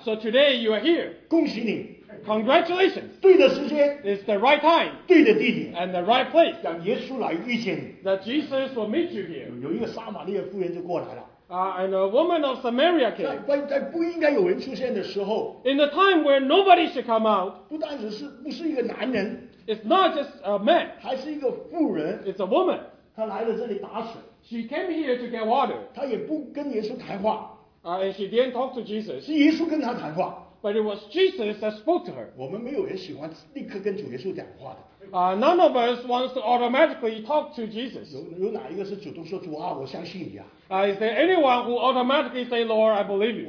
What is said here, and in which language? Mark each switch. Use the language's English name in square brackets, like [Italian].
[English] so today you are here. [Chinese] 恭喜你, [English] congratulations. [Chinese] 对的时间, [English] it's the right time. [Chinese] 对的地点, [English] and the right place. [Chinese] 让耶稣来遇见你, [English] that Jesus will meet you here. [Chinese] 有一个撒玛利亚妇人就过来了。 [English] And a woman of Samaria came. [Chinese] 在不应该有人出现的时候, [English] in the time where nobody should come out, [Chinese] 不单只是一个男人, [English] it's not just a man, [Chinese] 还是一个妇人, [English] it's a woman. [Chinese] 她来了这里打水, [English] she came here to get water. [Chinese] 她也不跟耶稣谈话, [English] and she didn't talk to Jesus. [Chinese] 是耶稣跟她谈话, [English] but it was Jesus that spoke to her. [Chinese] 我们没有人喜欢立刻跟主耶稣讲话的。 [English] None of us wants to automatically talk to Jesus. [Chinese] 有哪一个是主动说主啊, 我相信你啊。 [English] Is there anyone who automatically say, Lord, I believe you?